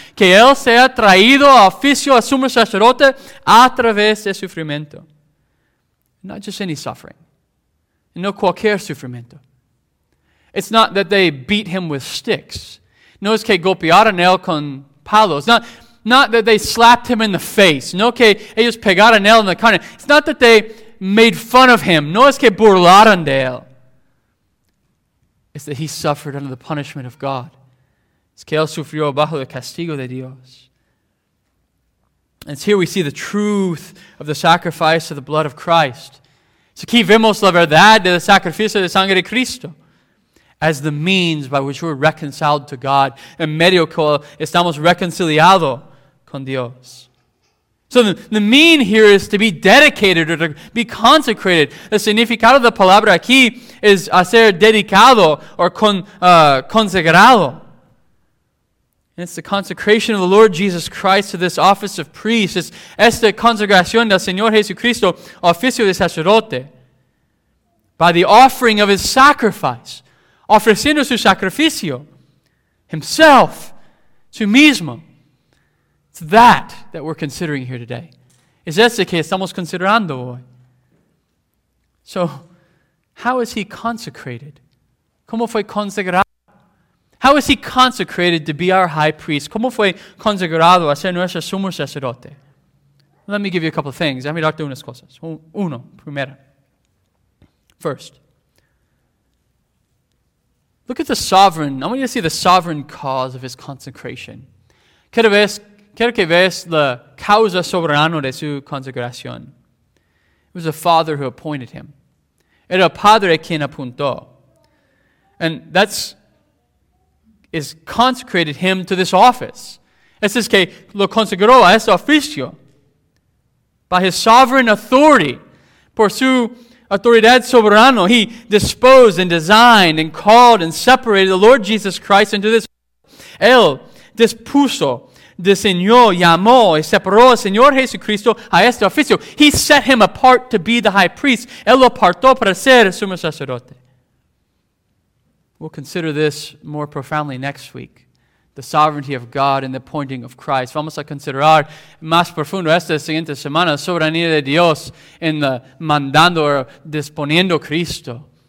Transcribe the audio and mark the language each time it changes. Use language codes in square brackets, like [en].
[es] Que él sea traído a oficio a sumo sacerdote a través de sufrimiento. [en] Not just any suffering. [es] No cualquier sufrimiento. [en] It's not that they beat him with sticks. [es] No es que golpearon él con palos. [en] Not that they slapped him in the face. [es] No que ellos pegaron él en la carne. [en] It's not that they made fun of him. [es] No es que burlaron de él. [en] Is that he suffered under the punishment of God. [es] Es que él sufrió bajo el castigo de Dios. [en] And it's here we see the truth of the sacrifice of the blood of Christ. [es] Es aquí vemos la verdad del sacrificio de sangre de Cristo. [en] As the means by which we're reconciled to God. [es] En medio cual estamos reconciliados con Dios. [en] So the mean here is to be dedicated or to be consecrated. [es] El significado de la palabra aquí es hacer dedicado or consagrado. [en] It's the consecration of the Lord Jesus Christ to this office of priest. [es] It's esta consagración del Señor Jesucristo, oficio de sacerdote, [en] by the offering of his sacrifice, [es] ofreciendo su sacrificio, [en] himself, [es] su mismo. [en] It's that we're considering here today. [es] Es ese que estamos considerando hoy. [en] So, how is he consecrated? [es] ¿Cómo fue consagrado? [en] How is he consecrated to be our high priest? [es] ¿Cómo fue consagrado a ser nuestro sumo sacerdote? [en] Let me give you a couple of things. [es] Déjame darte unas cosas. Uno, primera. [en] First, look at the sovereign. I want you to see the sovereign cause of his consecration. [es] Quiero que veas la causa soberana de su consagración. [en] It was a father who appointed him. [es] Era padre quien apuntó. [en] And that's is consecrated him to this office. [es] Es es que lo consagró a este oficio. [en] By his sovereign authority, [es] por su autoridad soberano, [en] he disposed and designed and called and separated the Lord Jesus Christ into this. [es] Él dispuso, diseñó, llamó y separó al Señor Jesucristo a este oficio. [en] He set him apart to be the high priest. [es] Él lo apartó para ser sumo sacerdote. [en] We'll consider this more profoundly next week. The sovereignty of God and the appointing of Christ. [es] Vamos a considerar más profundo esta siguiente semana la soberanía de Dios en the mandando o disponiendo Cristo.